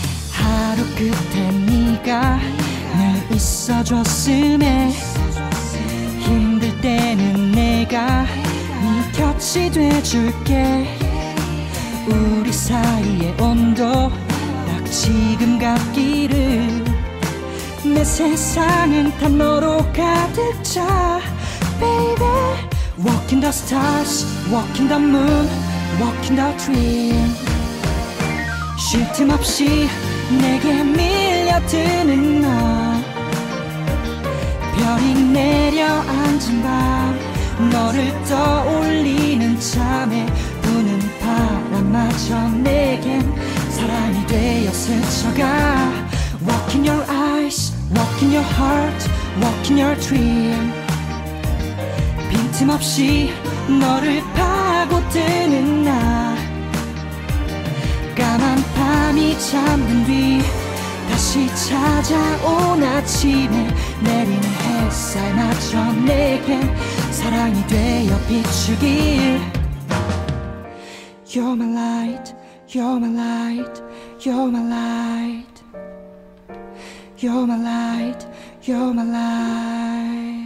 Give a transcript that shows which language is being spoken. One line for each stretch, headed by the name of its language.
Korean: 하루 끝에 네가 늘 있어줬음에 힘들 때는 내가 네 곁이 돼줄게. 우리 사이의 온도 딱 지금 같기를. 내 세상은 다 너로 가득 차 baby.
English: Walk in the stars, walk in the moon, walk in the dream.
Korean: 쉴 틈 없이 내게 밀려드는 너. 별이 내려앉은 밤 너를 떠올리는 참에 부는 바람마저 내겐 사랑이 되어 스쳐가.
English: Walk in your eyes, walk in your heart, walk in your dream.
Korean: 빈틈없이 너를 파고드는 나. 까만 밤이 잠든 뒤 다시 찾아온 아침에 내린 햇살마저 내겐 사랑이 되어 비추길.
English: You're my light, you're my light, you're my light. You're my light, you're my light.